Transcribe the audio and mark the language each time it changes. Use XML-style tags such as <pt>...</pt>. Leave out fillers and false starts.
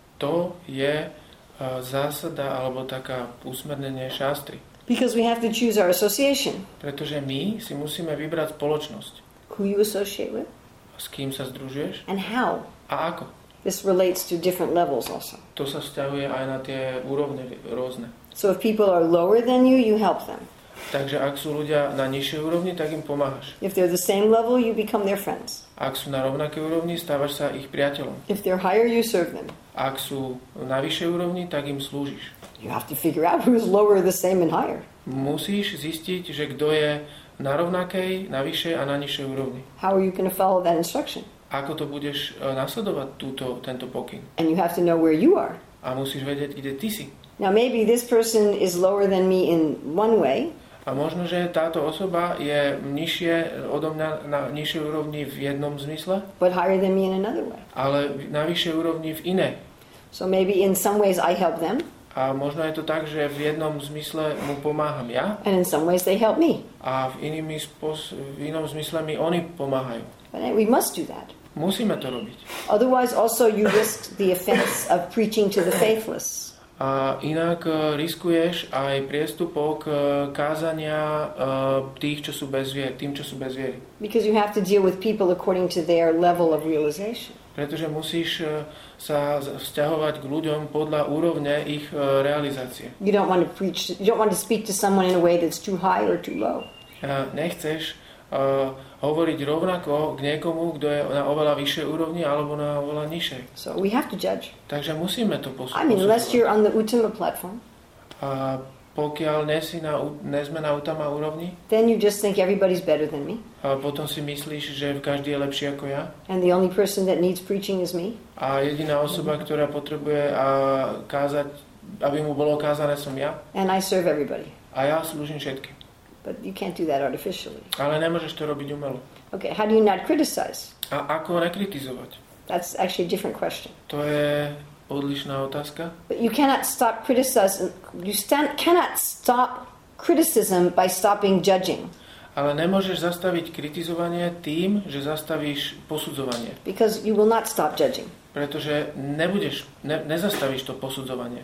<sk>To je zásada alebo taká usmernenie šastry.</sk> <en>Because we have to choose our association.</en> <sk>Pretože my si musíme vybrať spoločnosť.</sk> <en>Who you associate with?</en> <sk>S kým sa združuješ?</sk> <en>And how?</en> <sk>A ako?</sk> <en>This relates to different levels also.</en> <sk>To sa vzťahuje aj na tie úrovne rôzne.</sk> <en>So if people are lower than you, you help them.</en> <sk>Takže ak sú ľudia na nižšej úrovni, tak im pomáhaš.</sk> <en>If they're the same level, you become their friends.</en> <sk>Ak sú na rovnakej úrovni, stávaš sa ich priateľom.</sk> <en>If they're higher, you serve them.</en> <sk>Ak sú na vyššej úrovni, tak im slúžiš.</sk> <en>You have to figure out who's lower, the same and higher.</en> <sk>Musíš zistiť, že kto je na rovnakej, na vyššej a na nižšej úrovni.</sk> <en>How are you going to follow that instruction?</en> <sk>Ako to budeš nasledovať tento pokyn?</sk> <en>And you have to know where you are.</en> <sk>A musíš vedieť, kde ty si.</sk> <en>Now maybe this person is lower than me in one way.</en> <sk>A možno, že táto osoba je nižšie odo mňa na nižšej úrovni v jednom zmysle.</sk> <en>But higher than me in another way.</en> <sk>Ale na vyššej úrovni v iné.</sk> <en>So maybe in some ways I help them.</en> <sk>A možno je to tak, že v jednom zmysle mu pomáham ja.</sk> <en>And in some ways they help me.</en> <sk>A v inom zmysle mi oni pomáhajú.</sk> <en>But we must do that.</en> <sk>Musíme to robiť.</sk> <en>Otherwise also you risk the offense of preaching to the faithless.</en> <sk>A inak riskuješ aj priestupok kázania tým, čo sú bez viery.</sk> <en>Because you have to deal with people according to their level of realization.</en> <sk>Pretože musíš sa vzťahovať k ľuďom podľa úrovne ich realizácie.</sk> <en>You don't want to preach, you don't want to speak to someone in a way that's too high or too low.</en> <sk>Nechceš hovoriť rovnako k niekomu, kto je na oveľa vyššej úrovni alebo na oveľa nižšej.</sk> <en>So we have to judge.</en> <sk>Takže musíme to posúdiť.</sk> <en>I mean, unless you're on the Uttama platform.</en> <sk>A pokiaľ nesme na Uttama úrovni,</sk> <en>then you just think everybody's better than me.</en> <sk>A potom si myslíš, že každý je lepší ako ja.</sk> <en>And the only person that needs preaching is me.</en> <sk>A jediná osoba, ktorá potrebuje kázať, aby mu bolo kázané, som ja.</sk> <en>And I serve everybody.</en> <sk>A ja slúžim všetkým.</sk> <en>But you can't do that artificially.</en> <sk>Ale nemôžeš to robiť umelo.</sk> <en>Okay, how do you not criticize?</en> <sk>A ako nekritizovať?</sk> <en>That's actually a different question.</en> <sk>To je odlišná otázka.</sk> <en>But you cannot stop criticizing. You cannot stop criticism by stopping judging.</en> <sk>Ale nemôžeš zastaviť kritizovanie tým, že zastavíš posudzovanie.</sk> <en>Because you will not stop judging.</en> <sk>Pretože nebudeš, nezastavíš to posudzovanie.</sk>